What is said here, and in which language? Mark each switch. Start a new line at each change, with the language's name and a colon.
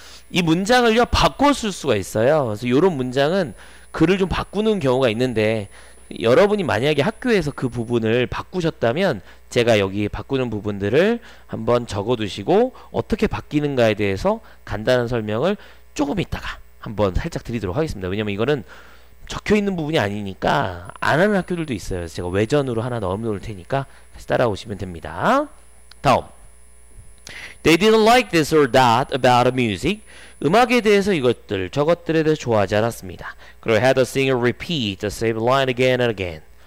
Korean: 이 문장을요 바꿔 쓸 수가 있어요. 그래서 이런 문장은 글을 좀 바꾸는 경우가 있는데 여러분이 만약에 학교에서 그 부분을 바꾸셨다면 제가 여기 바꾸는 부분들을 한번 적어두시고 어떻게 바뀌는가에 대해서 간단한 설명을 조금 있다가 한번 살짝 드리도록 하겠습니다. 왜냐면 이거는 적혀있는 부분이 아니니까 안 하는 학교들도 있어요. 제가 외전으로 하나 넣어놓을 테니까 같이 따라오시면 됩니다. 다음.
English: They didn't like this or that about music.
Korean: 음악에 대해서 이것들, 저것들에 대해서 좋아하지 않았습니다. 그리고
English: had the singer repeat the same line again and again.